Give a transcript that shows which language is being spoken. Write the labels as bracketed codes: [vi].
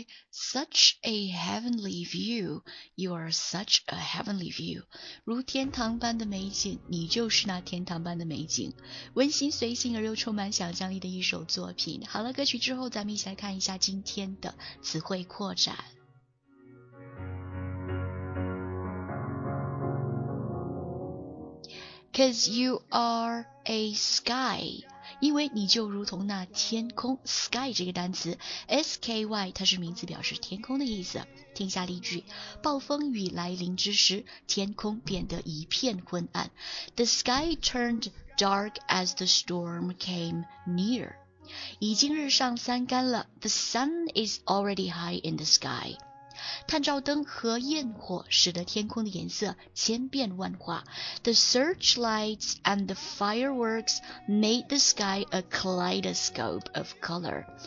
[en] Such a heavenly view, you are such a heavenly view. [zh] 如天堂般的美景，你就是那天堂般的美景。温馨随性而又充满想象力的一首作品。好了，歌曲之后咱们一起来看一下今天的词汇扩展。 [en] Cause you are a sky, [zh] 因为你就如同那天空 sky 这个单词 sky 它是名词表示天空的意思。听下例句，暴风雨来临之时，天空变得一片昏暗。 [en] The sky turned dark as the storm came near. [zh] 已经日上三竿了， [en] The sun is already high in the sky. [zh] 探照灯和焰火使得天空的颜色千变万化。 [en] The searchlights and the fireworks made the sky a kaleidoscope of color.